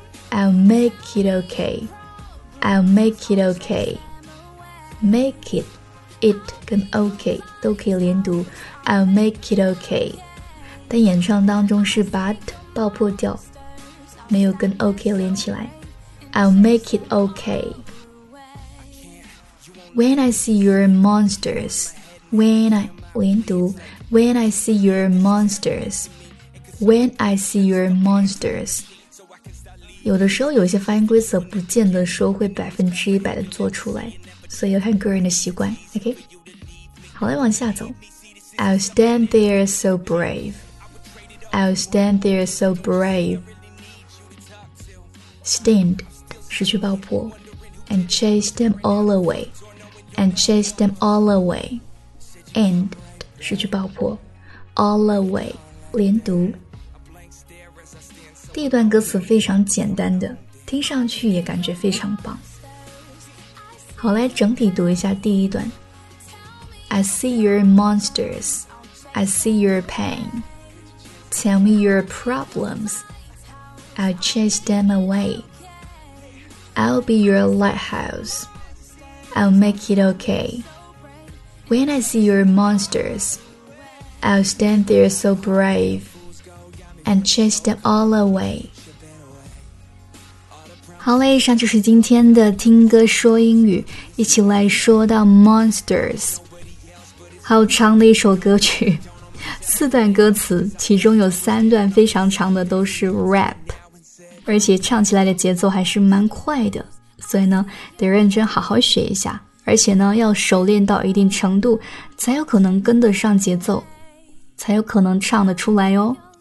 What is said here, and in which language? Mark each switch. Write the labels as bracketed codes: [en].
[en] I'll make it okay. I'll make it okay. Make it. [zh] It 跟 okay 都可以连读。 [en] I'll make it okay. [zh] 但演唱当中是把 t 爆破掉，没有跟 OK 连起来。 [en] I'll make it OK. When I see your monsters, When I see your monsters, When I see your monsters. [zh] 有的时候有些发音规则不见得说会百分之一百的做出来，所以要看个人的习惯。 OK， 好，来往下走。 [en] I'll stand there so brave. I'll stand there so braveStand [zh] 失去爆破 [en] And chase them all away. And chase them all away. And [zh] 失去爆破 [en] All away 连读。 [zh] 第一段歌词非常简单的，听上去也感觉非常棒。好，来整体读一下第一段。 [en] I see your monsters. I see your pain. Tell me your problems. I'll chase them awayI'll be your lighthouse. I'll make it okay. When I see your monsters, I'll stand there so brave and chase them all away. [zh] 好嘞，以上就是今天的听歌说英语，一起来说到 monsters。好长的一首歌曲，四段歌词，其中有三段非常长的都是 rap，而且唱起来的节奏还是蛮快的，所以呢得认真好好学一下，而且呢要熟练到一定程度才有可能跟得上节奏，才有可能唱得出来哦。